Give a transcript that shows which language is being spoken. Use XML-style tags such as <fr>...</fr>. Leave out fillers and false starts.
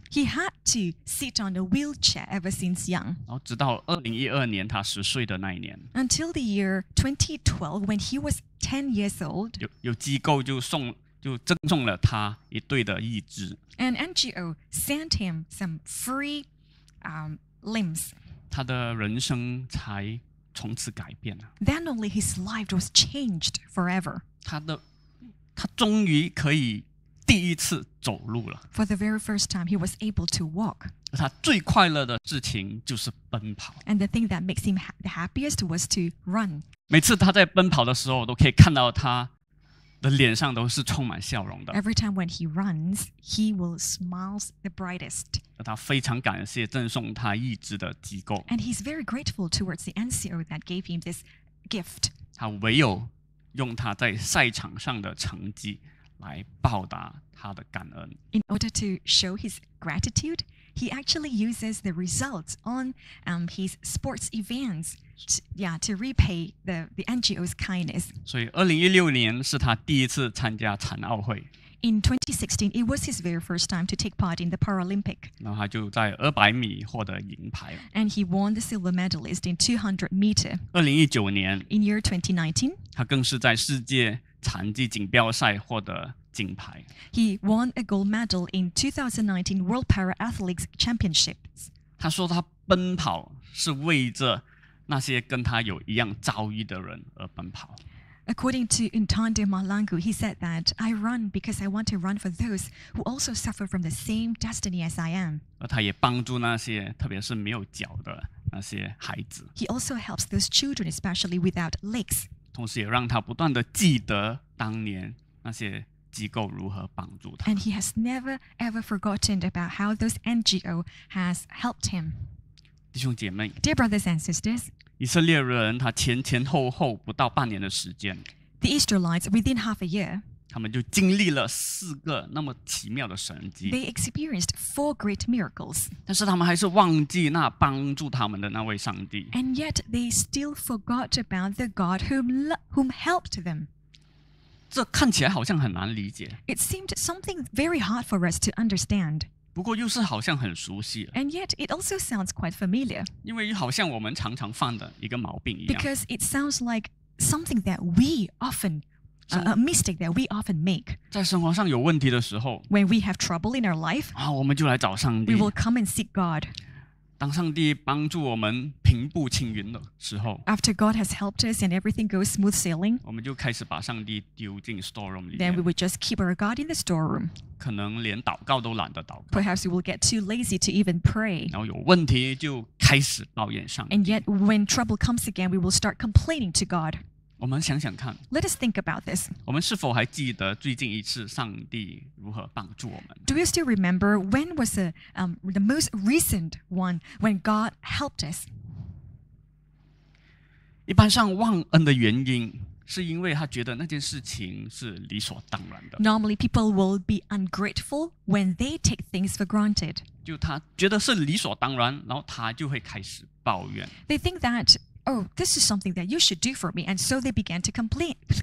<en>He had to sit on a wheelchair ever since young.</en> <zh>然后直到2012年他十岁的那一年。</zh> <en>Until the year 2012, when he was 10 years old.</en> <zh>有机构就赠送了他一对的义肢。</zh> <en>An NGO sent him some free, limbs.</en> <zh>他的人生才从此改变了。</zh> <en>Then only his life was changed forever.</en> <zh>他终于可以第一次走路了。</zh> <en>For the very first time, he was able to walk.</en> <zh>他最快乐的事情就是奔跑。</zh> <en>And the thing that makes him the happiest was to run.</en> <zh>每次他在奔跑的时候，都可以看到他的脸上都是充满笑容的。</zh> <en>Every time when he runs, he will smile the brightest.</en> <zh>他非常感谢赠送他义肢的机构。</zh> <en>And he's very grateful towards the NCO that gave him this gift.</en> <zh>他唯有用他在赛场上的成绩来报答他的感恩。</zh> <en>In order to show his gratitude, he actually uses the results on his sports events. To repay the NGO's kindness.</en> <zh>所以2016年是他第一次参加残奥会。</zh> <en>In 2016, it was his very first time to take part in the Paralympic.</en> <zh>然后他就在200米获得银牌。</zh> <en>And he won the silver medalist in 200 meter.</en> <zh>2019年</zh> <en>In year 2019,</en> <zh>他更是在世界残疾锦标赛获得金牌。</zh> <en>He won a gold medal in 2019 World Para-Athletics Championships.</en> <zh>他说他奔跑是为着那些跟他有一样遭遇的人而奔跑。</zh> <en>According to Ntando Malangu, he said that I run because I want to run for those who also suffer from the same destiny as I am.</en> <zh>他也帮助那些, 特别是没有脚的那些孩子。</zh> <en>He also helps those children, especially without legs.</en> <zh>同时也让他不断地记得当年那些机构如何帮助他。</zh> <en>And he has never ever forgotten about how those NGO has helped him.</en> <zh>弟兄姐妹,</zh> <en>Dear brothers and sisters,</en> <zh>以色列人他前前后后不到半年的时间,</zh> <en>The Israelites, within half a year,</en> <zh>他们就经历了四个那么奇妙的神迹,</zh> <en>They experienced four great miracles.</en> <zh>但是他们还是忘记那帮助他们的那位上帝。</zh> <en>And yet they still forgot about the God whom helped them.</en> <zh>这看起来好像很难理解。</zh> <en>It seemed something very hard for us to understand.</en> <zh>不过又是好像很熟悉,</zh> <en>and yet it also sounds quite familiar.</en> <zh>因为好像我们常常犯的一个毛病一样,</zh> <en>because it sounds like something that we often, a mistake that we often make.</en> <zh>在生活上有问题的时候,</zh> <en>when we have trouble in our life,</en> <zh>啊, 我们就来找上帝,</zh> <en>we will come and seek God.</en> <zh>当上帝帮助我们平步青云的时候,</zh> <en>after God has helped us and everything goes smooth sailing,</en> <zh>我们就开始把上帝丢进 storeroom里面,</zh> <en>then we would just keep our God in the storeroom.</en> <zh>可能连祷告都懒得祷告,</zh> <en>perhaps we will get too lazy to even pray.</en> <zh>然后有问题就开始抱怨上帝,</zh> <en>and yet when trouble comes again, we will start complaining to God.</en> <zh>我们想想看,</zh> <en>let us think about this.</en> <zh>我们是否还记得最近一次上帝如何帮助我们?</zh> <en>Do you still remember when was the most recent one when God helped us?</en> <zh>一般上忘恩的原因, 是因为他觉得那件事情是理所当然的。</zh> <en>Normally, people will be ungrateful when they take things for granted.</en> <zh>就他觉得是理所当然, 然后他就会开始抱怨。</zh> <en>They think that, oh, this is something that you should do for me, and so they began to complain.</en>